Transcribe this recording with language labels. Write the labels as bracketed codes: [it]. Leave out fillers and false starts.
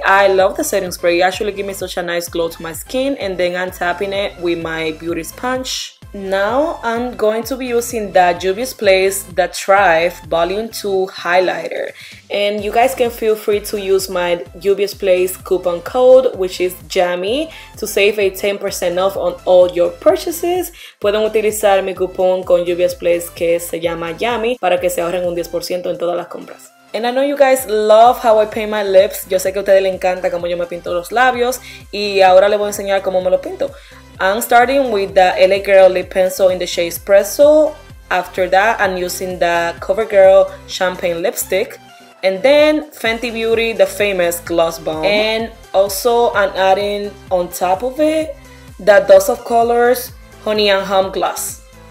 [en] I love the setting spray. It actually gave me such a nice glow to my skin, and then I'm tapping it with my beauty sponge. Now I'm going to be using the Juvia's Place The Thrive Volume 2 highlighter, and you guys can feel free to use my Juvia's Place coupon code, which is JAMI, to save a 10% off on all your purchases. [es] Pueden utilizar mi cupón con Juvia's Place que se llama YAMI para que se ahorren un 10% en todas las compras. [en] And I know you guys love how I paint my lips. [es] Yo sé que a ustedes les encanta como yo me pinto los labios, y ahora les voy a enseñar cómo me lo pinto. [en] I'm starting with the LA Girl Lip Pencil in the shade Espresso. After that, I'm using the CoverGirl Champagne Lipstick. And then Fenty Beauty, the famous Gloss Bomb. And also, I'm adding on top of it, the Dose of Colors Honey and Hum Gloss.